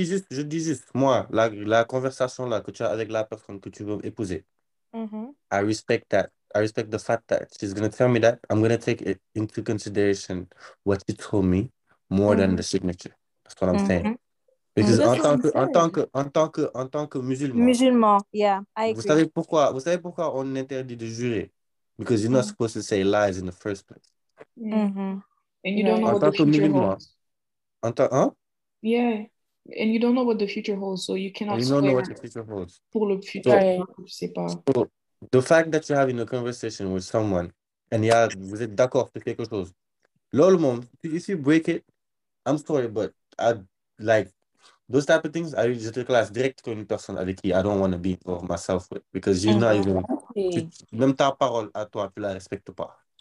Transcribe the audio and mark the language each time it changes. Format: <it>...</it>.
<fr>Je dis juste, moi, la conversation là que tu as avec la personne que tu veux épouser. Mm-hmm.</fr> <en>I respect that. I respect the fact that she's going to tell me that. I'm going to take it into consideration what she told me more mm-hmm. than the signature. That's what I'm mm-hmm. saying. Because</en> <fr>en tant que musulman,</fr> <en>yeah, I agree.</en> <fr>Vous savez pourquoi on interdit de jurer?</fr> <en>Because you're not</en> <fr>mm-hmm.</fr> <en>supposed to say lies in the first place. Mm-hmm. And you don't know what the future holds. And you don't know what the future holds, so you cannot. You don't know what the future holds.</en> <fr>Pour le futur,</fr> <en>so, the fact that you're having a conversation with someone and you have,</en> <fr>vous êtes d'accord sur quelque chose.</fr> <en>Lol, mom, if you break it, I'm sorry, but I like those type of things. I usually just class direct to</en> <fr>une personne avec qui</fr> <en>I don't want to be for myself with because you're mm-hmm. not even. Okay.</en> <fr>Même ta parole à toi, tu la respectes pas.</fr>